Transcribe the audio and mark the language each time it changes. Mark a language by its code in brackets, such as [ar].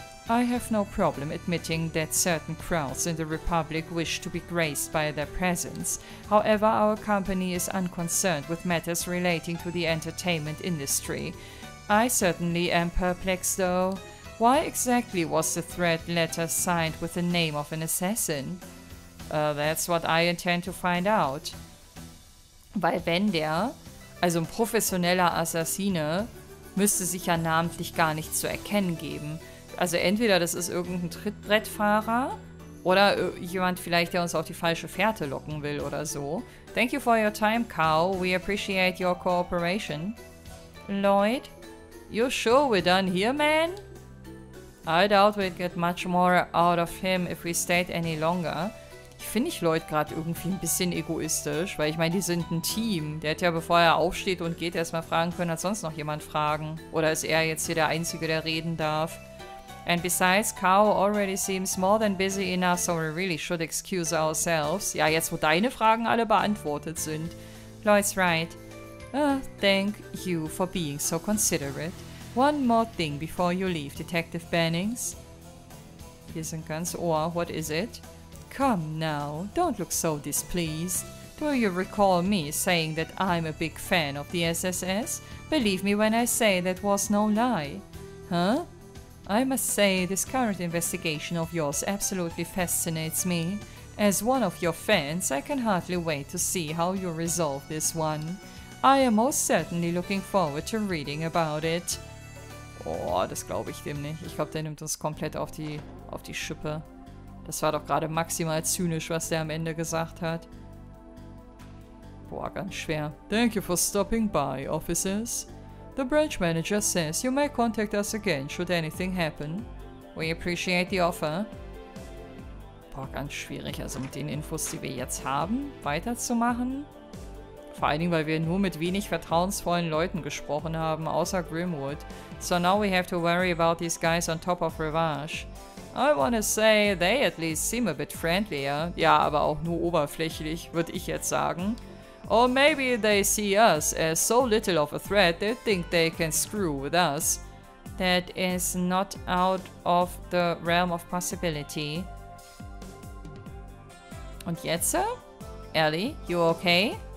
[en] I have no problem admitting that certain crowds in the Republic wish to be graced by their presence. However, our company is unconcerned with matters relating to the entertainment industry. I certainly am perplexed, though. Why exactly was the threat letter signed with the name of an assassin? That's what I intend to find out. [de] Weil wenn der, also ein professioneller Assassine, müsste sich ja namentlich gar nicht zu erkennen geben. Also entweder das ist irgendein Trittbrettfahrer oder jemand vielleicht, der uns auf die falsche Fährte locken will oder so. [en] Thank you for your time, Kau. We appreciate your cooperation. Lloyd? You sure we're done here, man? I doubt we'd get much more out of him if we stayed any longer. [de] Finde ich Lloyd gerade irgendwie ein bisschen egoistisch, weil ich meine, die sind ein Team. Der hätte ja, bevor er aufsteht und geht, erstmal fragen können, hat sonst noch jemand Fragen? Oder ist er jetzt hier der Einzige, der reden darf? [en] And besides, Kau already seems more than busy enough, so we really should excuse ourselves. [de] Ja, jetzt wo deine Fragen alle beantwortet sind. [en] Lloyd's right. Thank you for being so considerate. One more thing before you leave, Detective Bannings. [de] Wir sind ganz Ohr, [en] what is it? Come now, don't look so displeased. Do you recall me saying that I'm a big fan of the SSS? Believe me when I say that was no lie. Huh? I must say, this current investigation of yours absolutely fascinates me. As one of your fans, I can hardly wait to see how you resolve this one. I am most certainly looking forward to reading about it. [de] Oh, das glaube ich dem nicht. Ich glaube, der nimmt uns komplett auf die Schippe. Das war doch gerade maximal zynisch, was der am Ende gesagt hat. Boah, ganz schwer. [en] Thank you for stopping by, officers. The branch manager says you may contact us again, should anything happen. We appreciate the offer. [de] Boah, ganz schwierig. Also mit den Infos, die wir jetzt haben, weiterzumachen. Vor allen Dingen, weil wir nur mit wenig vertrauensvollen Leuten gesprochen haben, außer Grimwood. [en] So now we have to worry about these guys on top of Revanche. I wanna say, they at least seem a bit friendlier. [de] Ja, aber auch nur oberflächlich, würde ich jetzt sagen. [en] Or maybe they see us as so little of a threat, they think they can screw with us. That is not out of the realm of possibility. [de] Und jetzt, Sir? Ellie, [en] you okay?